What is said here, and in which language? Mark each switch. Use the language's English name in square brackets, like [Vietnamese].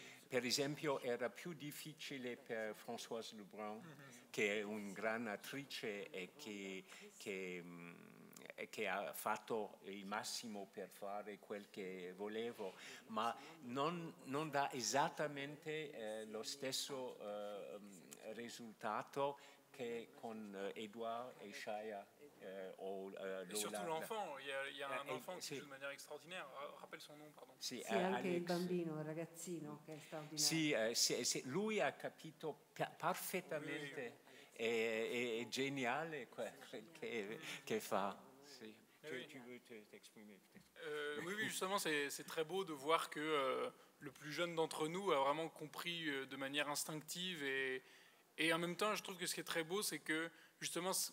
[Italian] Per esempio, era più difficile per Françoise Lebrun, che è un gran attrice e che ha fatto il massimo per fare quel che volevo, ma non dà esattamente lo stesso risultato che con Edouard e Shaya. [French] Et surtout l'enfant, il y a un enfant qui joue de manière extraordinaire. Rappelle son nom, pardon. [Italian] Si, c'est anche il bambino, il ragazzino, che è straordinario. Si, si, lui ha capito parfaitamente, è geniale che fa. [French] Si. Tu veux t'exprimer, oui, oui, justement, c'est très beau de voir que le plus jeune d'entre nous a vraiment compris de manière instinctive et en même temps, je trouve que ce qui est très beau, c'est que justement.